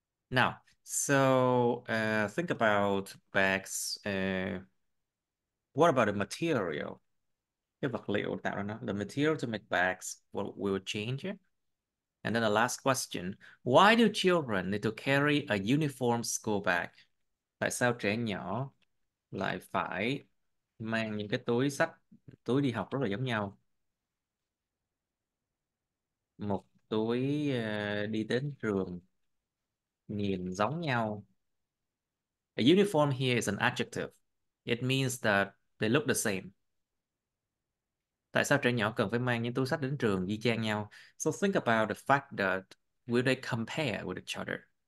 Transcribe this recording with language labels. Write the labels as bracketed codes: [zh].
[en] Now, so think about bags. What about the material? [vi] Cái vật liệu tạo ra nó. [en] The material to make bags. What will change it? And then the last question, why do children need to carry a uniform school bag? [vi] Tại sao trẻ nhỏ lại phải mang những cái túi xách, túi đi học rất là giống nhau? Một tối đi đến trường nhìn giống nhau. [en] A uniform here is an adjective. It means that they look the same. [vi] Tại sao trẻ nhỏ cần phải mang những túi sách đến trường y chang nhau? [en] So think about the fact that will they compare with each other?